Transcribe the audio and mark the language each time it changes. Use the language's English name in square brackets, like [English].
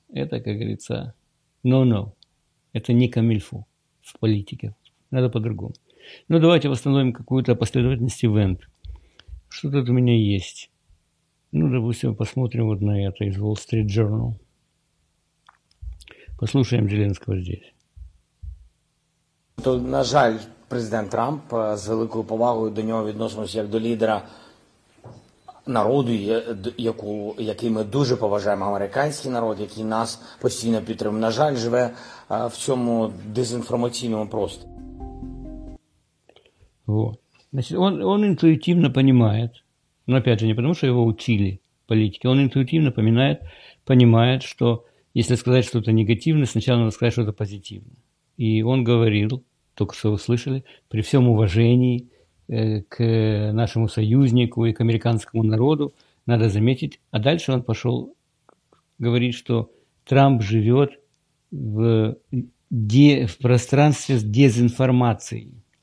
[Russian] Это, как говорится, [English] no-no. [Russian] Это не камильфо в политике. Надо по-другому. Ну, давайте восстановим какую-то последовательность ивент. Что тут у меня есть? Ну, допустим, посмотрим вот на это из Wall Street Journal. Послушаем Зеленского здесь. [Ukrainian] То, на жаль, президент Трамп з великою повагою до нього відносимося як до лідера народу, який ми дуже поважаємо, американський народ, який нас постійно підтримує. На жаль, живе в цьому дезінформаційному просторі. [Russian] Вот. Значит, он интуитивно понимает, но опять же не потому, что его учили политики, он интуитивно понимает, что если сказать что-то негативное, сначала надо сказать что-то позитивное. И он говорил, только что вы слышали, при всем уважении к нашему союзнику и к американскому народу, надо заметить, а дальше он пошел говорить, что Трамп живет в пространстве с дезинформацией.